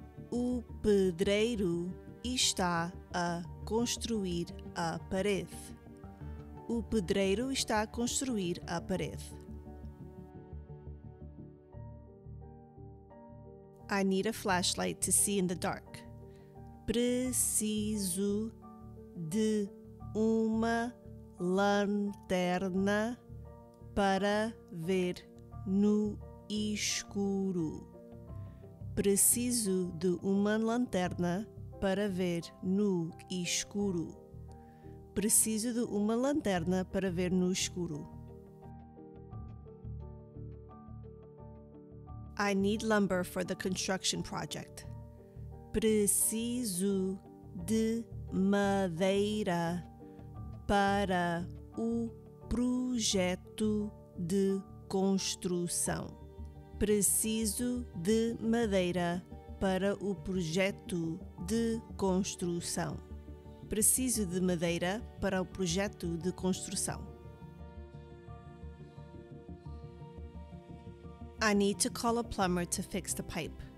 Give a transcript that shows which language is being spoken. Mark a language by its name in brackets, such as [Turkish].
[Portuguese] O pedreiro está a construir a parede. O pedreiro está a construir a parede. [English] I need a flashlight to see in the dark. [Portuguese] Preciso de uma lanterna para ver no escuro. Preciso de uma lanterna para ver no escuro. Preciso de uma lanterna para ver no escuro. [English] I need lumber for the construction project. [Portuguese] Preciso de madeira para o projeto de construção. Preciso de madeira para o projeto de construção. Preciso de madeira para o projeto de construção. [English] I need to call a plumber to fix the pipe.